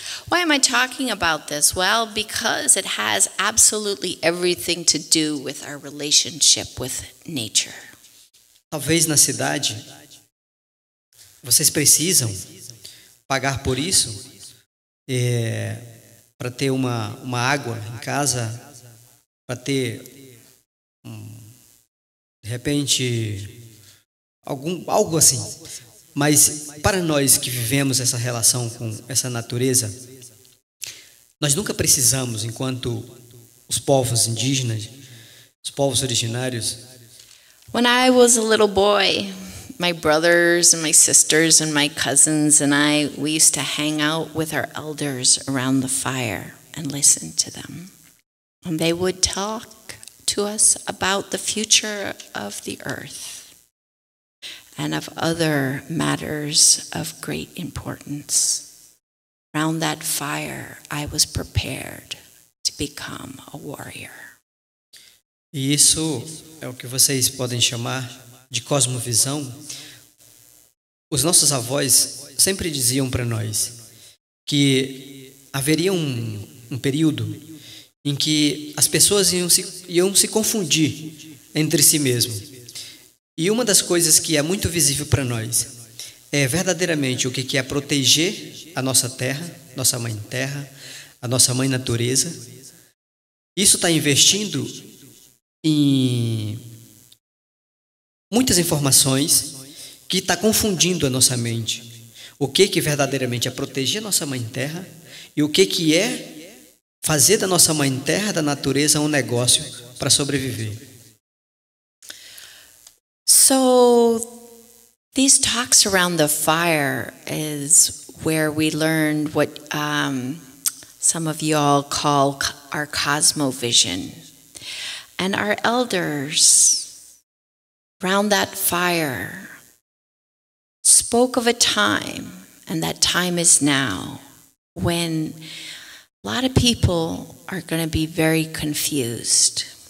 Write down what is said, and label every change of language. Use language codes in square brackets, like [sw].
[en] Why am I talking about this? Well, because it has absolutely everything to do with our relationship with nature. [pt] Talvez na cidade Vocês precisam pagar por isso? É, para ter uma água em casa? Para ter, de repente, algo assim. Mas para nós que vivemos essa relação com essa natureza, nós nunca precisamos, enquanto os povos indígenas, os povos originários. [en] When I was a little boy, my brothers and my sisters and my cousins and I, we used to hang out with our elders around the fire and listen to them. And they would talk to us about the future of the earth and of other matters of great importance. Around that fire, I was prepared to become a warrior. [pt] E isso é o que vocês podem chamar de cosmovisão. Os nossos avós sempre diziam para nós que haveria um período em que as pessoas iam se confundir entre si mesmo. E uma das coisas que é muito visível para nós é verdadeiramente o que é proteger a nossa terra, nossa mãe terra, a nossa mãe natureza. Isso está investindo e muitas informações que está confundindo a nossa mente. O que verdadeiramente é proteger a nossa mãe terra e o que é fazer da nossa mãe terra, da natureza, um negócio para sobreviver. [en] So, these talks around the fire is where we learned what some of you all call our Cosmo-Vision. And our elders, around that fire, spoke of a time, and that time is now, when a lot of people are going to be very confused.